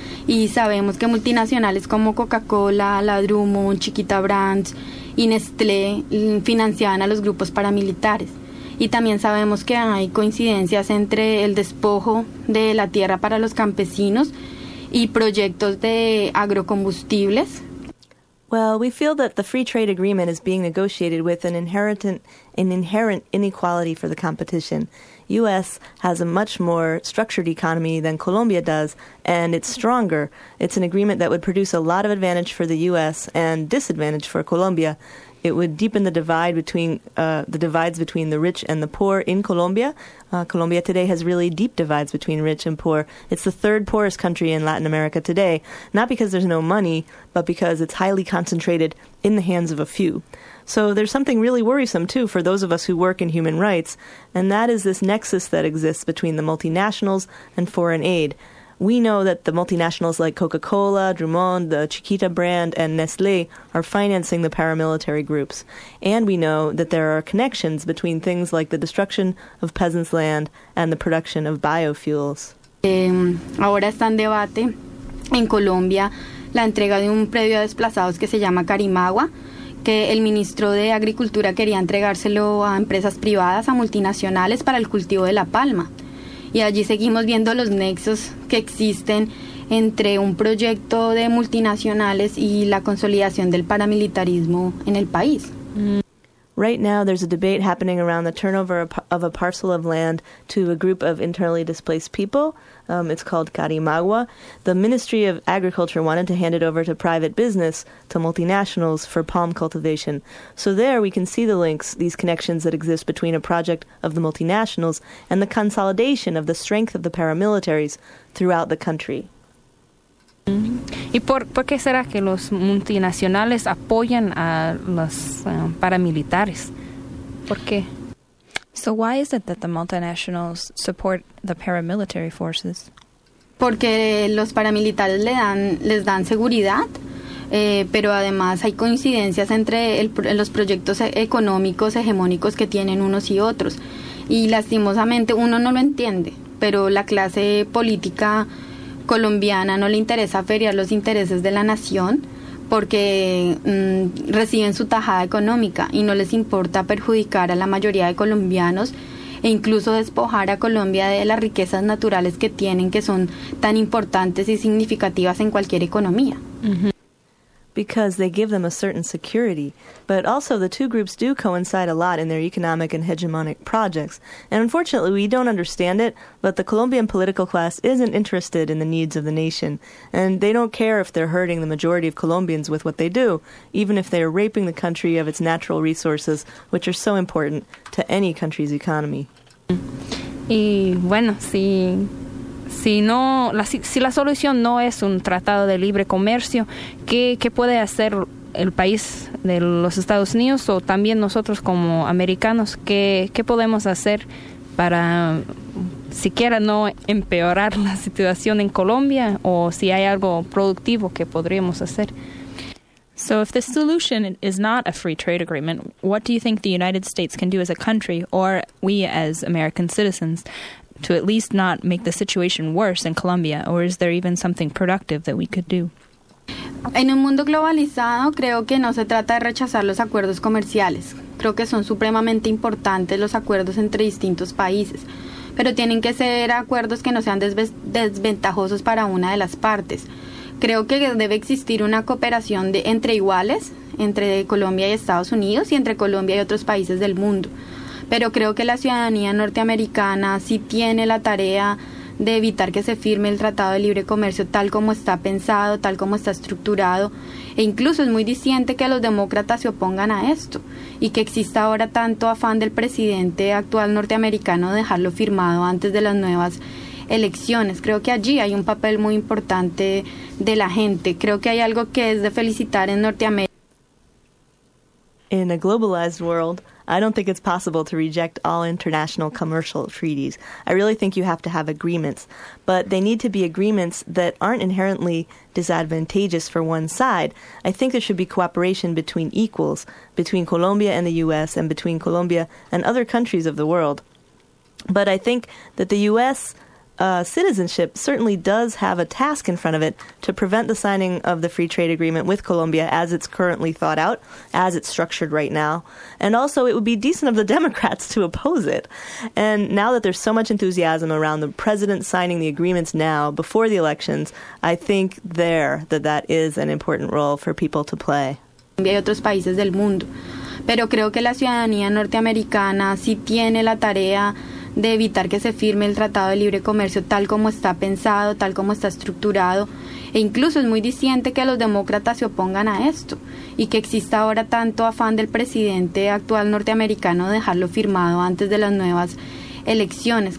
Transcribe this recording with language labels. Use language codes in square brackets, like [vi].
[es] Y sabemos que multinacionales como Coca-Cola, La Drummond, Chiquita Brands y Nestlé financiaban a los grupos paramilitares. Y también sabemos que hay coincidencias entre el despojo de la tierra para los campesinos y proyectos de agrocombustibles. [en] Well, we feel that the free trade agreement is being negotiated with an inherent inequality for the competition. U.S. has a much more structured economy than Colombia does, and it's stronger. It's an agreement that would produce a lot of advantage for the U.S. and disadvantage for Colombia. It would deepen the divide between the divides between the rich and the poor in Colombia. Colombia today has really deep divides between rich and poor. It's the third poorest country in Latin America today, not because there's no money, but because it's highly concentrated in the hands of a few. So there's something really worrisome, too, for those of us who work in human rights, and that is this nexus that exists between the multinationals and foreign aid. We know that the multinationals like Coca-Cola, Drummond, the Chiquita brand, and Nestlé are financing the paramilitary groups. And we know that there are connections between things like the destruction of peasants' land and the production of biofuels. [es] Ahora está en debate en Colombia la entrega de un predio a desplazados que se llama Carimagua, que el ministro de Agricultura quería entregárselo a empresas privadas, a multinacionales, para el cultivo de la palma. Y allí seguimos viendo los nexos que existen entre un proyecto de multinacionales y la consolidación del paramilitarismo en el país. [en] Right now there's a debate happening around the turnover of a parcel of land to a group of internally displaced people. It's called Carimagua. The Ministry of Agriculture wanted to hand it over to private business, to multinationals, for palm cultivation. So there we can see the links, these connections that exist between a project of the multinationals and the consolidation of the strength of the paramilitaries throughout the country. [es] ¿Y por qué será que los multinacionales apoyan a los paramilitares? ¿Por qué? [en] So why is it that the multinationals support the paramilitary forces? [es] Porque los paramilitares les dan seguridad, pero además hay coincidencias entre los proyectos económicos hegemónicos que tienen unos y otros. Y lastimosamente uno no lo entiende, pero la clase política colombiana no le interesa feriar los intereses de la nación porque reciben su tajada económica y no les importa perjudicar a la mayoría de colombianos e incluso despojar a Colombia de las riquezas naturales que tienen, que son tan importantes y significativas en cualquier economía. Mm-hmm. [en] Because they give them a certain security. But also, the two groups do coincide a lot in their economic and hegemonic projects. And unfortunately, we don't understand it, but the Colombian political class isn't interested in the needs of the nation. And they don't care if they're hurting the majority of Colombians with what they do, even if they are raping the country of its natural resources, which are so important to any country's economy. [es] Y bueno, Si la solución no es un tratado de libre comercio, ¿qué puede hacer el país de los Estados Unidos o también nosotros como americanos? ¿Qué podemos hacer para siquiera no empeorar la situación en Colombia o si hay algo productivo que podríamos hacer? [en] So if the solution is not a free trade agreement, what do you think the United States can do as a country or we as American citizens to at least not make the situation worse in Colombia, or is there even something productive that we could do? [es] En un mundo globalizado, creo que no se trata de rechazar los acuerdos comerciales. Creo que son supremamente importantes los acuerdos entre distintos países, pero tienen que ser acuerdos que no sean desventajosos para una de las partes. Creo que debe existir una cooperación entre iguales, entre Colombia y Estados Unidos, y entre Colombia y otros países del mundo. Pero creo que la ciudadanía norteamericana sí tiene la tarea de evitar que se firme el Tratado de Libre Comercio tal como está pensado, tal como está estructurado. E incluso es muy disidente que los demócratas se opongan a esto y que exista ahora tanto afán del presidente actual norteamericano de dejarlo firmado antes de las nuevas elecciones. Creo que allí hay un papel muy importante de la gente. Creo que hay algo que es de felicitar en Norteamérica. [en] In a globalized world, I don't think it's possible to reject all international commercial treaties. I really think you have to have agreements. But they need to be agreements that aren't inherently disadvantageous for one side. I think there should be cooperation between equals, between Colombia and the U.S., and between Colombia and other countries of the world. But I think that the U.S. citizenship certainly does have a task in front of it to prevent the signing of the free trade agreement with Colombia as it's currently thought out, as it's structured right now. And also, it would be decent of the Democrats to oppose it. And now that there's so much enthusiasm around the president signing the agreements now, before the elections, I think there that that is an important role for people to play. [es] Y otros países del mundo. Pero creo que la ciudadanía norteamericana sí tiene la tarea de evitar que se firme el Tratado de Libre Comercio tal como está pensado, tal como está estructurado. E incluso es muy distante que los demócratas se opongan a esto y que exista ahora tanto afán del presidente actual norteamericano de dejarlo firmado antes de las nuevas elecciones.